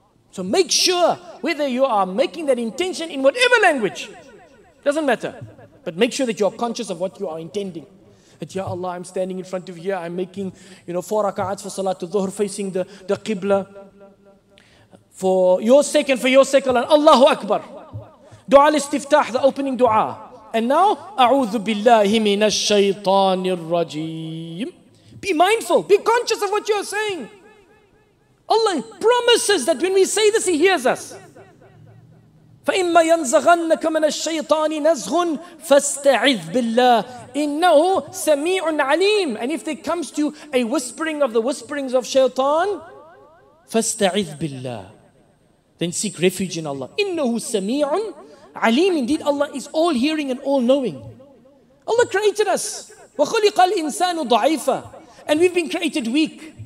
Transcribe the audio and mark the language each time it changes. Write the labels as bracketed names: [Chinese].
[English] So make sure, whether you are making that intention in whatever language, doesn't matter, but make sure that you are conscious of what you are intending. That, Ya Allah, I'm standing in front of you, I'm making, you know, four raka'ats for salatul dhuhr, facing the qibla, for your sake and for your sake alone. Allahu Akbar. Dua al-istiftah, the opening dua. And now, [Arabic] أعوذ بالله من الشيطان الرجيم. [English] Be mindful, be conscious of what you're saying. Allah promises that when we say this, He hears us. [Arabic] فإما ينزغنك من الشيطان نزغ فاستعذ بالله إنه سميع عليم. [English] And if there comes to you a whispering of the whisperings of shaitan, [Arabic] فاستعذ بالله, [English] then seek refuge in Allah. [Arabic] إنه سميع عليم, [English] indeed Allah is all hearing and all knowing. Allah created us. [Arabic] وخلق الإنسان ضعيفا, [English] and we've been created weak.